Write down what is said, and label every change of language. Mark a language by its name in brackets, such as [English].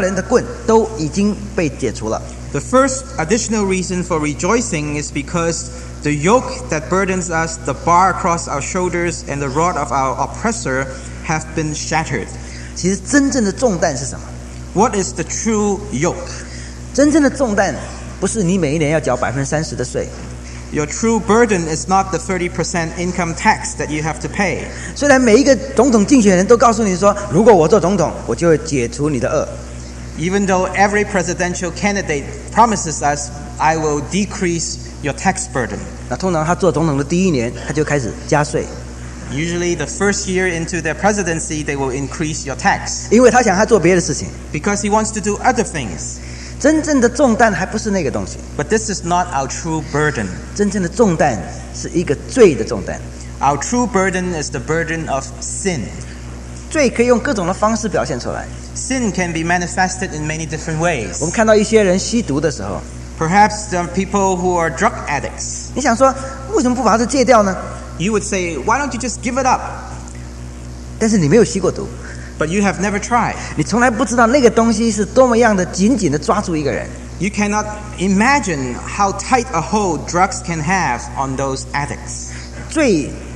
[Chinese] 第一个理由是因为我们身上所负的重轭、肩头上的杖、欺压人的棍都已经被解除了。 [English] The first additional reason for rejoicing is because the yoke that burdens us, the bar across our shoulders, and the rod of our oppressor have been shattered. [Chinese] 其实真正的重担是什么? [English] What is the true yoke? [Chinese] 真正的重担不是你每一年要缴 30%的税。 [English] Your true burden is not the 30% income tax that you have to pay. [Chinese] 虽然每一个总统竞选人都告诉你说，如果我做总统，我就会解除你的轭。 [English] Even though every presidential candidate promises us, I will decrease your tax burden. [Chinese] 那通常他做总统的第一年，他就开始加税。 [English] Usually the first year into their presidency, they will increase your tax. [Chinese] 因为他想他做别的事情。 [English] Because he wants to do other things. [Chinese] 真正的重担还不是那个东西。 [English] But this is not our true burden. [Chinese] 真正的重担是一个罪的重担。 [English] Our true burden is the burden of sin. [Chinese] 罪可以用各种的方式表现出来。 [English] Sin can be manifested in many different ways. [Chinese] 我们看到一些人吸毒的时候, [English] perhaps there are people who are drug addicts. [Chinese] 你想说，为什么不把它戒掉呢？ [English] You would say, why don't you just give it up? [Chinese] 但是你没有吸过毒。 [English] But you have never tried. [Chinese] 你从来不知道那个东西是多么样的紧紧地抓住一个人。 [English] You cannot imagine how tight a hold drugs can have on those addicts.